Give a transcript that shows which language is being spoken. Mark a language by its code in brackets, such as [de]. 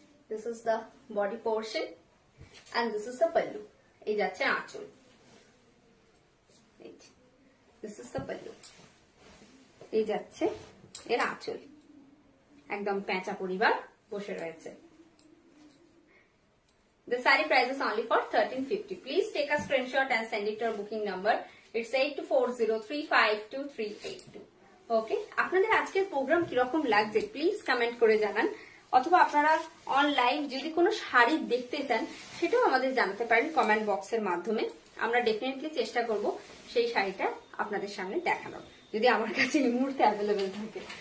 [en] this is the body portion and this is the pallu, [bn] এই যাচ্ছে আঁচল। [en] this is the pallu, [bn] এই যাচ্ছে এর আঁচল, একদম প্যাঁচা পরিবার বসে রয়েছে। [en] The sari price is only for 1350. Please take a screenshot and send it to our booking number. It's 8240352382. Okay? [bn] আপনাদের আজকের প্রোগ্রাম কিরকম লাগছে প্লিজ কমেন্ট করে জানান, অথবা আপনারা অনলাইন যদি কোনো শাড়ি দেখতে চান সেটাও আমাদের জানাতে পারেন কমেন্ট বক্সের মাধ্যমে। আমরা ডেফিনেটলি চেষ্টা করব সেই শাড়িটা আপনাদের সামনে দেখানোর, যদি আমার কাছে এই মুহূর্তে অ্যাভেলেবেল থাকে।